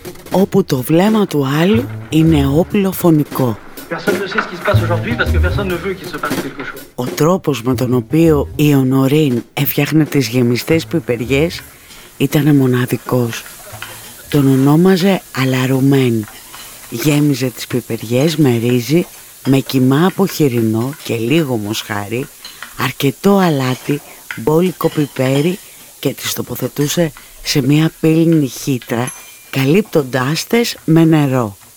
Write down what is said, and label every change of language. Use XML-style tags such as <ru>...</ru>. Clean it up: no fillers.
<el>Όπου το βλέμμα του άλλου είναι όπλο φωνικό.</el> <fr>Personne ne sait ce qui se passe aujourd'hui parce que personne ne veut qu'il se passe quelque chose.</fr> <el>Ο τρόπος με τον οποίο η Ονορίν έφτιαχνε τις γεμιστές πιπεριές ήταν μοναδικός. Τον ονόμαζε Αλαρουμέν. Γέμιζε τις πιπεριές με ρύζι, με κυμά από χοιρινό και λίγο μοσχάρι, αρκετό αλάτι, μπόλικο πιπέρι και τις τοποθετούσε σε μια πύλινη χύτρα, καλύπτοντάς τες με νερό.</el>